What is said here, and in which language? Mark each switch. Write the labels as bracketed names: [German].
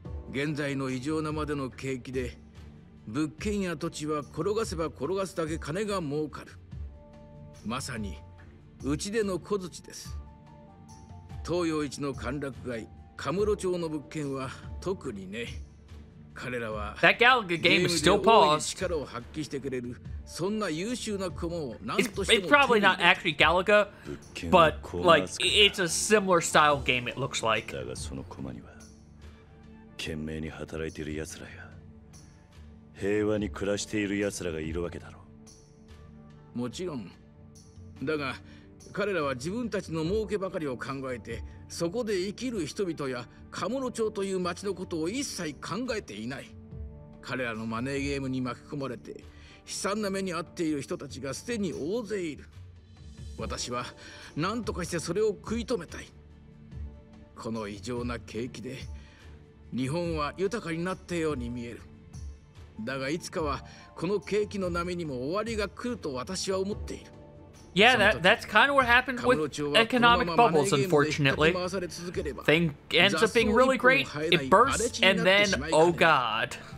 [Japanese] 現在の異常なまでの景気で、物件や土地は転がせば転がすだけ金が儲かる。まさに。うちでの小槌です。東洋一の歓楽街、カムロ町の物件は特にね。彼らは、 [English] That Galaga game is still paused. [Japanese] 力を発揮してくれる、そんな優秀な駒を何としても [English] It's probably not actually Galaga, but like, it's a similar style game, it looks like. [Japanese] だがその駒には、懸命に働いている奴らや、平和に暮らしている奴らがいるわけだろう。もちろん。だが、彼らは自分たちの儲けばかりを考えて、そこで生きる人々や、カモノ町という町のことを一切考えていない。彼らのマネーゲームに巻き込まれて、悲惨な目に遭っている人たちがすでに大勢いる。私は、何とかしてそれを食い止めたい。この異常な景気で、日本は豊かになったように見える。だが、いつかは、この景気の波にも終わりが来ると私は思っている。 [English] Yeah, that's kind of what happened with economic bubbles, unfortunately. Thing ends up being really great, it bursts, and then, oh god.